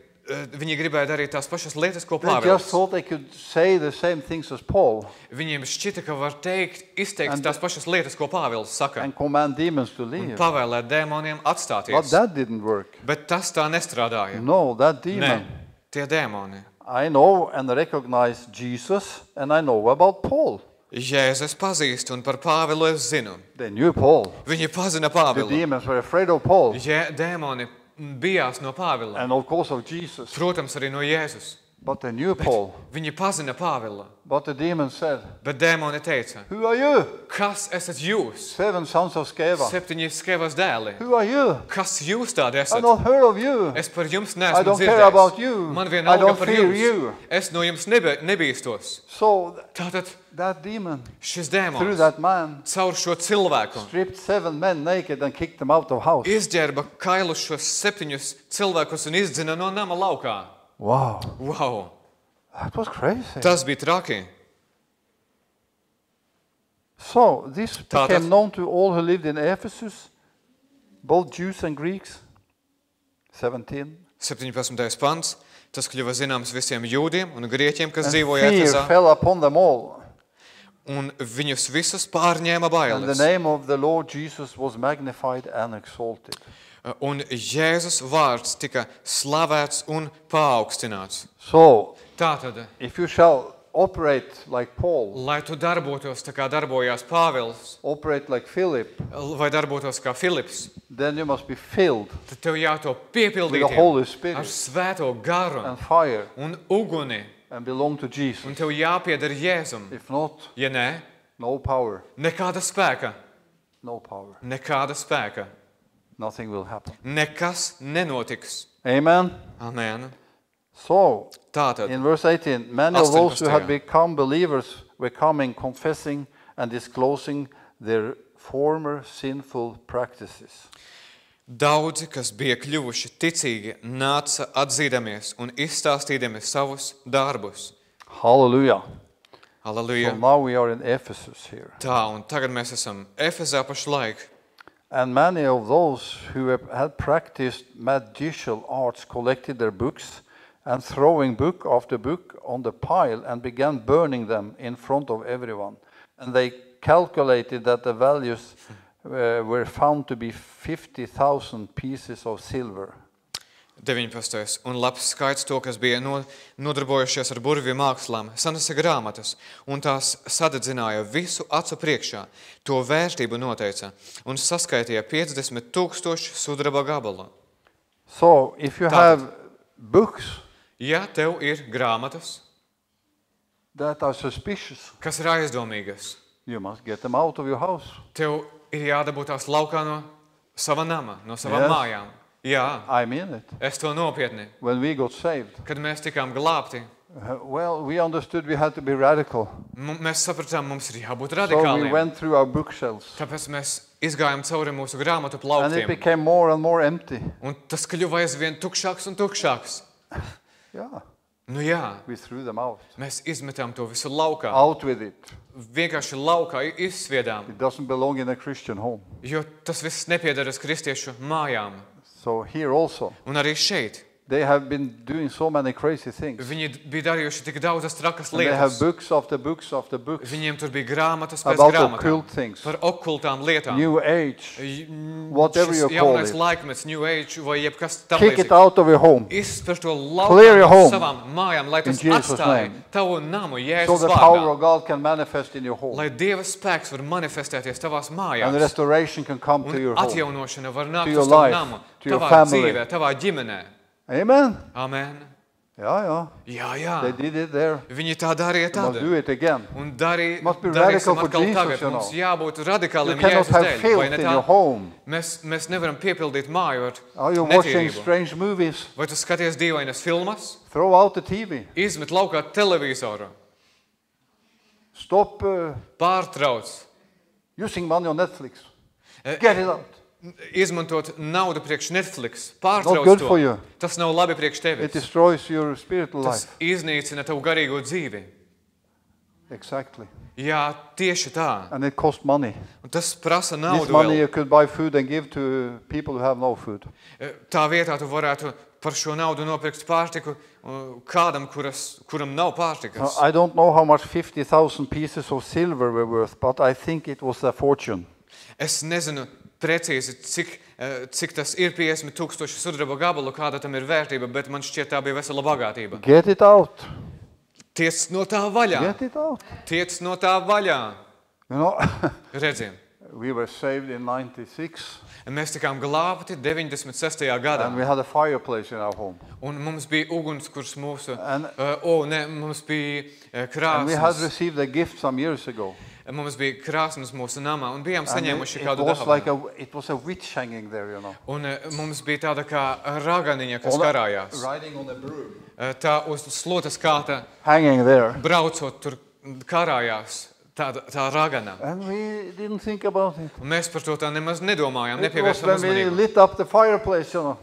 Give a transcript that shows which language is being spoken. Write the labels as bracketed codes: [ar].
[lv] Viņi gribēja darīt tās pašas lietas, ko Pāvils. [en] They just thought they could say the same things as Paul. [lv] Viņiem šķita, ka var teikt, izteikt tās pašas lietas, ko Pāvils saka. [en] And command demons to leave. [lv] Un pavēlēt dēmoniem atstāties. [en] But that didn't work. [lv] Bet tas tā nestrādāja. [en] No, that demon. [lv] Nē, tie dēmoni. [en] I know and recognize Jesus and I know about Paul. [lv] Jēzus pazīst un par Pāvilu es zinu. [en] They knew Paul. [lv] Viņi pazina Pāvilu. [en] The demons were afraid of Paul. [lv] Jē, dēmoni bijās no Pāvila. [en] And of course of Jesus. [lv] Protams, arī no Jēzus. [en] But they knew Paul. [lv] Viņi pazina Pāvila. [en] But the demon said. [lv] Bet dēmoni teica. [en] Who are you? [lv] Kas esat jūs? [en] Seven sons of Sceva. [lv] Septiņi Skevas dēli. [en] Who are you? [lv] Kas jūs tādi esat? [en] I've not heard of you. [lv] Es par jums neesmu dzirdējis. [en] I don't care about you. [lv] Man vienalga [en] I don't [lv] par [en] fear [lv] jums. [en] You. [lv] Es no jums nebīstos. [en] So [lv] tātad [en] that demon. [lv] Šis dēmons. [en] Through that man. [lv] Caur šo cilvēku. [en] Stripped seven men naked and kicked them out of house. [lv] Izģērba kailušos septiņus cilvēkus un izdzina no nama laukā. [en] Wow. Wow. That was crazy. [lv] Tas bija traki. [en] So, this became known to all who lived in Ephesus, both Jews and Greeks. 17. [lv] 17. Pants. Tas kļuva zināms visiem jūdiem un grieķiem, kas [en] and [lv] dzīvoja [en] fear [lv] Efesā. [en] Fell upon them all. [lv] Un viņus visus pārņēma bailes. [en] And the name of the Lord Jesus was magnified and exalted. [lv] Un Jēzus vārds tika slavēts un paaugstināts. [en] So, [lv] tātad, [en] if you shall operate like Paul, [lv] lai tu darbotos tā kā darbojās Pāvils, [en] operate like Philip, [lv] vai darbotos kā Filips, [en] then you must be filled, [lv] tad tev jāto piepildītiem [en] with the Holy Spirit, [lv] ar svēto garu [en] and fire, [lv] un uguni, [en] and belong to Jesus. [lv] Un tev jāpieder Jēzum. [en] If not, [lv] ja nē, [en] no power. [lv] Nekāda spēka. [en] No power. [lv] Nekāda spēka. [en] Nothing will happen. [lv] Nekas nenotiks. Amen. Amen. [en] So, [lv] tātad, [en] in verse 18, many of those who had become believers were coming, confessing and disclosing their former sinful practices. [lv] Daudzi, kas bija kļuvuši ticīgi, nāca atzīdamies un izstāstīdamies savus darbus. Hallelujah. Hallelujah. [en] So now we are in Ephesus here. [lv] Tā, un tagad mēs esam Efesā pašlaik. [en] And many of those who had practiced magical arts collected their books and throwing book after book on the pile and began burning them in front of everyone. And they calculated that the values were found to be 50,000 pieces of silver. 19. [lv] Un labs skaits to, kas bija nodarbojušies ar burvju mākslām, sanesa grāmatas, un tās sadedzināja visu acu priekšā, to vērtību noteica, un saskaitīja 50,000 sudraba gabalu. [en] So, if you have books, [lv] ja tev ir grāmatas, [en] that are suspicious, [lv] kas ir aizdomīgas, [en] you must get them out of your house. [lv] Tev ir jādabūt tās laukā no sava nama, no savām [en] yes. [lv] mājām. Jā, [en] I mean it. [lv] Es to nopietni. [en] When we got saved. [lv] Kad mēs tikām glābti. [en] Well, we understood we had to be radical. [lv] Mēs sapratām, mums ir jābūt radikāliem. [en] So we went through our bookshelves. [lv] Tāpēc mēs izgājām cauri mūsu grāmatu plauktiem. [en] And it became more and more empty. [lv] Un tas kļuva aizvien tukšāks un tukšāks. Jā. Nu jā. [en] We threw them out. [lv] Mēs izmetām to visu laukā. [en] Out with it. [lv] Vienkārši laukā izsviedām. [en] It doesn't belong in a Christian home. [lv] Jo tas viss nepiederas kristiešu mājām. [en] So here also. [lv] Un arī šeit. [en] They have been doing so many crazy things. [lv] Viņi bija darījuši tik daudzas trakas lietas. [en] They have books after books after books. [lv] Viņiem tur bija grāmatas pēc grāmatām. [en] About occult things. [lv] Par okultām lietām. [en] New age. Whatever you call it. [lv] Jaunais laikmets, new age vai jebkas tam līdzīgs. [en] Kick it out of your home. [lv] Izspēr to laukā savām mājām, lai tas atstāj tavu namu, Jēzus vārdā. [en] So the power of God can manifest in your home. [lv] Lai Dieva spēks var manifestēties tavās mājās. [en] And restoration can come to your home. [lv] Atjaunošana var nākt uz tavu namu. [en] To your family. [lv] Tavā dzīvē, tavā ģimenē. Amen. Amen. Jā, jā. Jā, jā. [en] They did it there. [lv] Viņi tā darīja tad. [en] Must do it again. [lv] Un darī, [en] must be radical for Jesus, [lv] tagad. [en] You know. [lv] Mums jābūt radikāliem Jēzus dēļ. [en] You cannot have filth in your home. [lv] Mēs nevaram piepildīt māju ar netīrību. [en] Are you watching strange movies? [lv] Vai tu skaties dīvainas filmas? [en] Throw out the TV. [lv] Izmet laukā televizoru. [en] Stop. [lv] Pārtrauc. [en] Using money on Netflix. Get it out. [lv] Izmantot naudu priekš Netflix. Pārtrauc to. Tas nav labi priekš tevis. [en] It destroys your spiritual life. [lv] Tas iznīcina tavu garīgo dzīvi. [en] Exactly. [lv] Jā, tieši tā. [en] And it costs money. [lv] Un tas prasa naudu. [en] This money you could buy food and give to people who have no food. [lv] Tā vietā tu varētu par šo naudu nopirkt pārtiku kādam, kuram nav pārtikas. [en] I don't know how much 50,000 pieces of silver were worth, but I think it was a fortune. [lv] Es nezinu precīzi, cik tas ir 50,000 sudraba gabalu, kāda tam ir vērtība, bet man šķiet tā bija vesela bagātība. [en] Get it out. [lv] Tiec no tā vaļā. [en] Get it out. [lv] Tiec no tā vaļā. [en] You know, [lv] redziem. [en] We were saved in 96. [lv] Un mēs tikām glābti 96. Gadā. [en] And we had a fireplace in our home. [lv] Un mums bija uguns, kurš mūsu, mums bija krāsns. [en] And we had received a gift some years ago. [lv] Mums bija krāsns mūsu namā un bijām saņēmuši kādu dāvanu. [en] Like it was a witch hanging there, you know. [lv] Un mums bija tāda kā raganiņa, kas karājās. [en] Riding on a broom. [lv] Tā uz slotas kāta [en] hanging there. [lv] Braucot tur karājās. Tā ragana. [en] And we didn't think about it. [lv] Un mēs par to tā nemaz nedomājām, nepievēršam uzmanību. [en] We lit up the fireplace, you know.